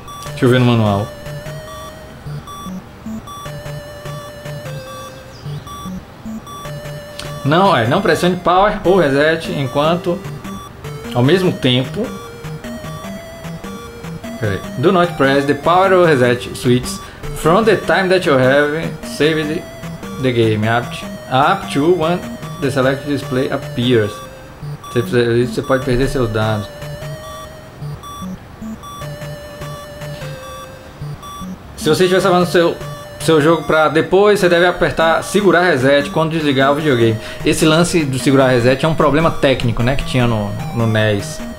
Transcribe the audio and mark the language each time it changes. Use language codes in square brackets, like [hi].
[pt] Deixa eu ver no manual. Não, não pressione power ou reset enquanto ao mesmo tempo. [en] Do not press the power or reset switches from the time that you have saved the game up to when the select display appears. [pt] Se fizer isso, você pode perder seus dados. Se você estiver salvando seu jogo para depois, você deve apertar segurar reset quando desligar o videogame. Esse lance do segurar reset é um problema técnico, né, que tinha no NES.